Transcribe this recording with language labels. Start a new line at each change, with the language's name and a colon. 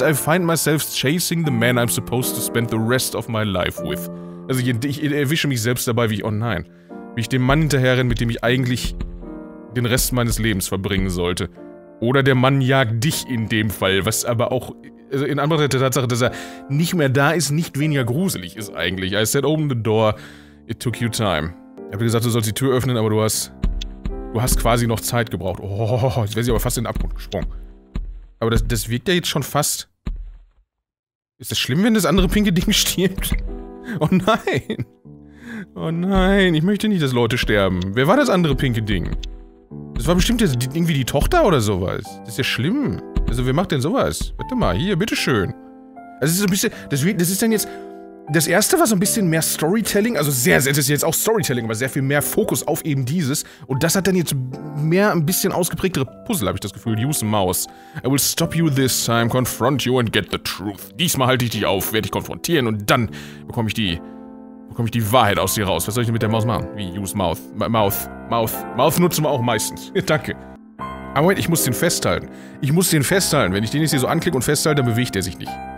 English: I find myself chasing the man I'm supposed to spend the rest of my life with.
German: Also ich erwische mich selbst dabei, wie ich dem Mann hinterherrenne, mit dem ich eigentlich den Rest meines Lebens verbringen sollte. Oder der Mann jagt dich in dem Fall, was aber auch... Also in Anbetracht der Tatsache, dass er nicht mehr da ist, nicht weniger gruselig ist eigentlich.
English: I said open the door. It took you time.
German: Ich hab gesagt, du sollst die Tür öffnen, aber du hast quasi noch Zeit gebraucht. Oh, jetzt wäre sie aber fast in den Abgrund gesprungen. Aber das wirkt ja jetzt schon fast... Ist das schlimm, wenn das andere pinke Ding stirbt? Oh nein! Oh nein, ich möchte nicht, dass Leute sterben. Wer war das andere pinke Ding? Das war bestimmt irgendwie die Tochter oder sowas. Das ist ja schlimm. Also wer macht denn sowas? Warte mal, hier, bitteschön. Also es ist ein bisschen... Das ist dann jetzt... Das erste war so ein bisschen mehr Storytelling, also sehr, sehr, das ist jetzt auch Storytelling, aber sehr viel mehr Fokus auf eben dieses. Und das hat dann jetzt mehr ein bisschen ausgeprägtere Puzzle, habe ich das Gefühl.
English: Use Mouse. I will stop you this time, confront you and get the truth.
German: Diesmal halte ich dich auf, werde dich konfrontieren und dann bekomme ich die Wahrheit aus dir raus. Was soll ich denn mit der Maus machen? Wie,
English: use Mouth.
German: Mouth nutzen wir auch meistens. Ja, danke. Aber Moment, ich muss den festhalten. Wenn ich den jetzt hier so anklicke und festhalte, dann bewegt er sich nicht.